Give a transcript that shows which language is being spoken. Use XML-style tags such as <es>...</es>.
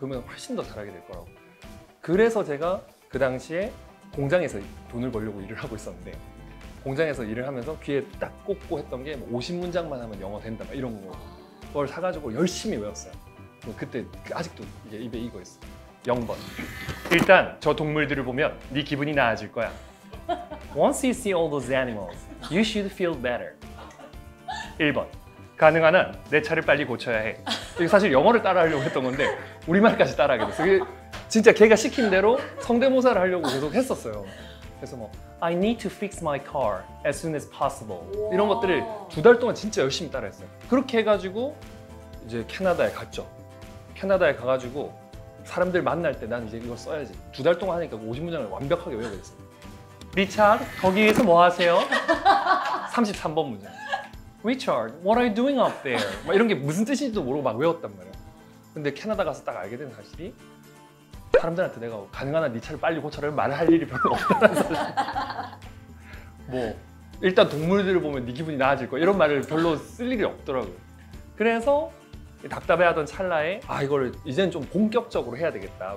<ko>그러면 훨씬 더 잘하게 될 거라고. 그래서 제가 그 당시에 공장에서 돈을 벌려고 일을 하고 있었는데, 공장에서 일을 하면서 귀에 딱 꽂고 했던 게 50문장만 하면 영어 된다 막 이런 거, 그걸 사가지고 열심히 외웠어요. 그때 아직도 이제 입에 이거 있어요. 0번. 일단 저 동물들을 보면 네 기분이 나아질 거야.</ko> <en>Once you see all those animals, you should feel better.</en> <ko>1번. 가능한 한 내 차를 빨리 고쳐야 해. 이거 사실 영어를 따라하려고 했던 건데 우리말까지 따라하게 됐어요. 진짜 걔가 시킨 대로 성대모사를 하려고 계속 했었어요. 그래서</ko> <en>I need to fix my car as soon as possible.</en> <ko>이런 것들을 두 달 동안 진짜 열심히 따라했어요. 그렇게 해가지고 이제 캐나다에 갔죠. 캐나다에 가가지고 사람들 만날 때 난 이제 이거 써야지. 두 달 동안 하니까 50문장을 완벽하게 외워버렸어요. 리차드, 거기에서 뭐 하세요? 33번 문장.</ko> <en>Richard, what are you doing up there?</en> <ko>막 이런 게 무슨 뜻인지도 모르고 막 외웠단 말이야. 근데 캐나다 가서 딱 알게 된 사실이, 사람들한테 내가 가능한 한 네 차를 빨리 고쳐라 말할 일이 별로 없다는 사실. 뭐 일단 동물들을 보면 네 기분이 나아질 거야, 이런 말을 별로 쓸 일이 없더라고요. 그래서 답답해하던 찰나에 이걸 이제는 좀 본격적으로 해야 되겠다.</ko>